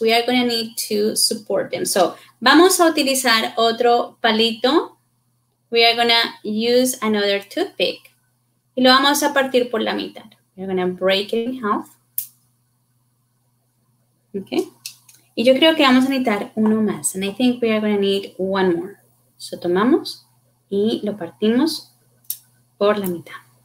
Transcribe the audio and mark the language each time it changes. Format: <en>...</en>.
<en>We are going to need to support them. So</en> <es>vamos a utilizar otro palito.</es> <en>We are going to use another toothpick.</en> <es>Y lo vamos a partir por la mitad.</es> <en>We're going to break it in half.</en> <es>Ok. Y yo creo que vamos a necesitar uno más.</es> <en>And I think we are going to need one more.</en> <es>So tomamos y lo partimos por la mitad.</es>